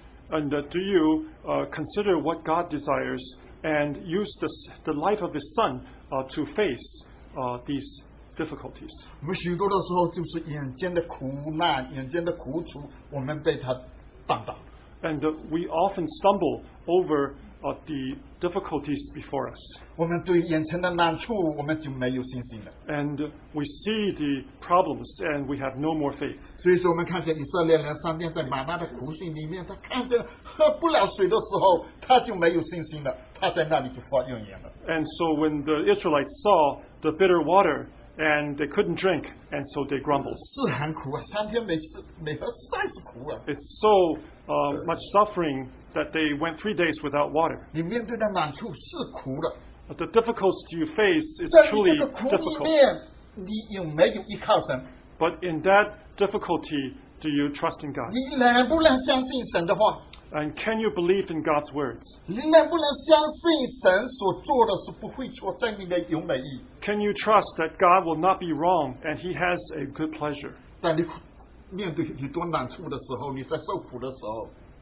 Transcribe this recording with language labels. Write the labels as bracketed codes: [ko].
[en] And do you consider what God desires and use the life of His Son to face these difficulties? [zh] 我们许多的时候就是眼前的苦难，眼前的苦楚，我们被他绊倒。 [en] And we often stumble over the difficulties before us. And we see the problems and we have no more faith. And so when the Israelites saw the bitter water, and they couldn't drink, and so they grumbled. [zh] 是很苦啊，三天没吃没喝，实在是苦啊。 [en] It's so much suffering that they went 3 days without water. [zh] 你面对的难处是苦的。 [en] But the difficulties you face is truly difficult. [zh] 在你这个苦里面，你有没有依靠神？ [en] But in that difficulty, do you trust in God? [zh] 你能不能相信神的话？ [en] And can you believe in God's words? [zh] 你能不能相信神所做的是不会错，在你的有美意？ [en] Can you trust that God will not be wrong and He has a good pleasure? [zh] 但你面对很多难处的时候，你在受苦的时候。